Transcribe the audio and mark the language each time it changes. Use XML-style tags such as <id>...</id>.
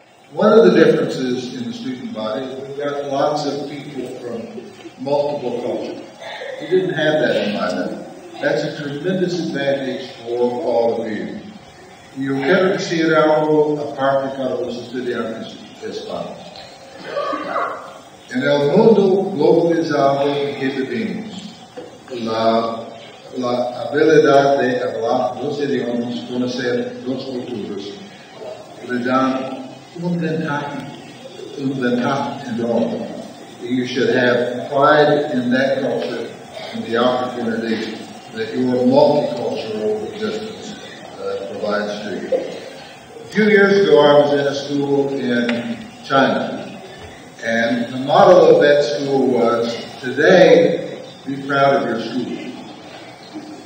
<en>One of the differences in the student body is we've got lots of people from multiple cultures. We didn't have that in my life. That's a tremendous advantage for all of you. You're better to see it our world apart from those of the Hispanics.</en> <es>En el mundo globalizado que vivimos, la habilidad de hablar dos idiomas, conocer dos culturas, le dan un ventaja enorme.</es> <en>You should have pride in that culture and the opportunity that your multicultural existence provides to you. A few years ago, I was in a school in China. And the motto of that school was, today, be proud of your school.</en>